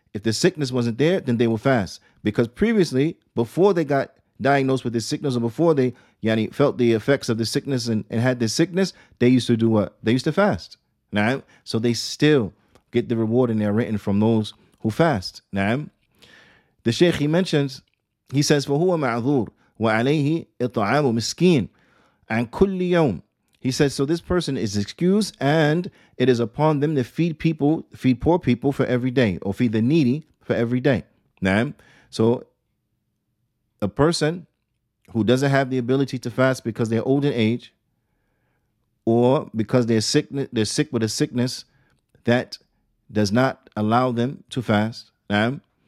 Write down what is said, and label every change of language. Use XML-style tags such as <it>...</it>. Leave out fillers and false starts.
<en>If the sickness wasn't there, then they will fast. Because previously, before they got diagnosed with this sickness, or before they felt the effects of the sickness and had this sickness, they used to do what? They used to fast. Now, so they still get the reward in their written from those who fast. Now, the Sheikh, he mentions, he says,</en> <ar>فَهُوَ مَعْذُورٌ وَعَلَيْهِ إِطْعَامُ مِسْكِينٌ عَنْ كُلِّ يَوْمٍ.</ar> <en>He says, so this person is excused, and it is upon them to feed poor people for every day, or feed the needy for every day. Naam. So a person who doesn't have the ability to fast because they're old in age, or because they're sick with a sickness that does not allow them to fast, naam,</en>